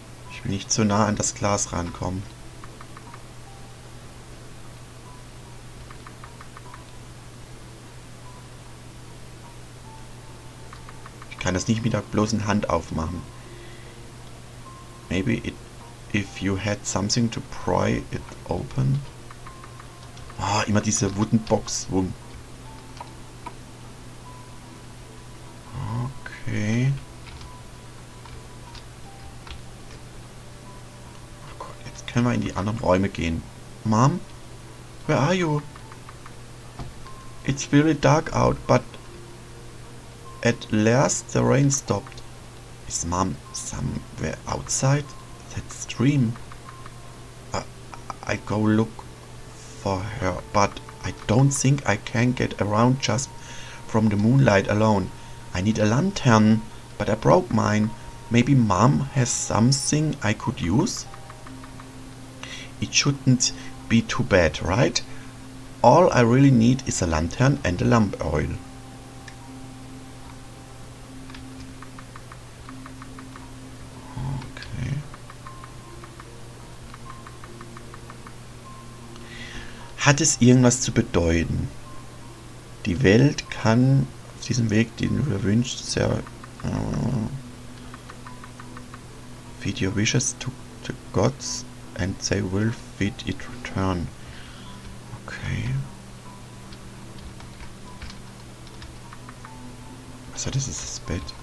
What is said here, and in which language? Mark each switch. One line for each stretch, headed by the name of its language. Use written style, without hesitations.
German: Ich will nicht zu nah an das Glas rankommen. Ich kann das nicht mit der bloßen Hand aufmachen.
English: Maybe if you had something to pry it open.
German: Ah, oh, immer diese wooden Box, wo... Okay. Oh Gott, jetzt können wir in die anderen Räume gehen.
English: Mom, where are you? It's very dark out, but at last the rain stopped. Is Mom somewhere outside that stream? I go look for her, but I don't think I can get around just from the moonlight alone. I need a lantern, but I broke mine. Maybe Mom has something I could use? It shouldn't be too bad, right? All I really need is a lantern and a lamp oil. Okay.
German: Hat es irgendwas zu bedeuten? Die Welt kann auf diesem Weg, den du dir wünschst, sehr...
English: Feed your wishes to the gods and they will feed it return. Okay.
German: Also das ist das Bett.